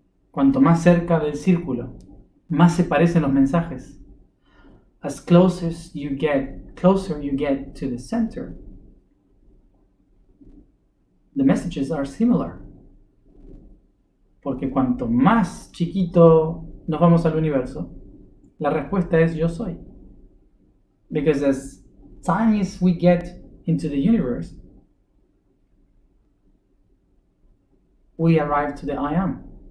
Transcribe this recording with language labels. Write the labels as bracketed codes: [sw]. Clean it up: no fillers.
[es] Cuanto más cerca del círculo, más se parecen los mensajes. [en] As close as you get, closer you get to the center, the messages are similar. [es] Porque cuanto más chiquito nos vamos al universo, la respuesta es yo soy. [en] Because as tiny as we get into the universe, we arrive to the I am.